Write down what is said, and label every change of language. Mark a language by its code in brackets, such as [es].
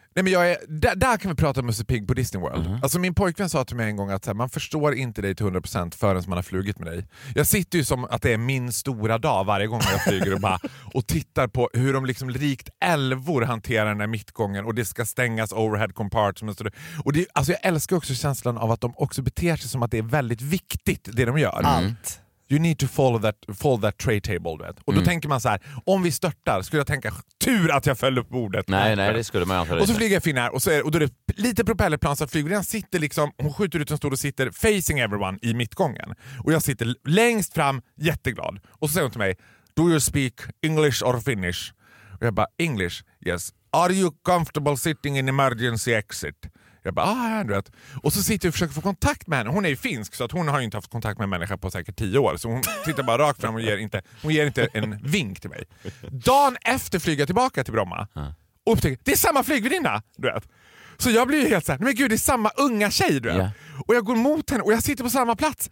[sv] Nej, men där kan vi prata om Musse Pigg på Disney World. Mm-hmm. Alltså min pojkvän sa till mig en gång att så här, man förstår inte dig till 100% förrän man har flugit med dig. Jag sitter ju som att det är min stora dag varje gång jag flyger och bara och tittar på hur de liksom rikt älvor hanterar den här mittgången och det ska stängas [en] overhead compartments. [sv] Och det, alltså jag älskar också känslan av att de också beter sig som att det är väldigt viktigt det de gör. Allt. [en] You need to follow that tray table, [sv] vet. Och då tänker man så här, om vi störtar skulle jag tänka tur att jag föll upp bordet. Nej, det skulle man ju inte. Och så flyger jag Finnair och då är det lite propellerplan så att flygvärdinnan sitter liksom, hon skjuter ut en stol och sitter [en] facing everyone [sv] i mittgången. Och jag sitter längst fram, jätteglad. Och så säger hon till mig, [en] do you speak English or Finnish? [sv] Och jag bara, [en] English, yes. Are you comfortable sitting in emergency exit? [sv] Jag bara, ja, du vet. Och så sitter jag och försöker få kontakt med henne. Hon är ju finsk, så att hon har ju inte haft kontakt med människor på säkert 10 år. Så hon tittar bara rakt fram och ger inte en vink till mig. Dagen efter flyger jag tillbaka till Bromma. Och upptäcker, det är samma flygvärdinna, du vet. Så jag blir ju helt så här, men gud, det är samma unga tjej, du vet. Yeah. Och jag går mot henne och jag sitter på samma plats.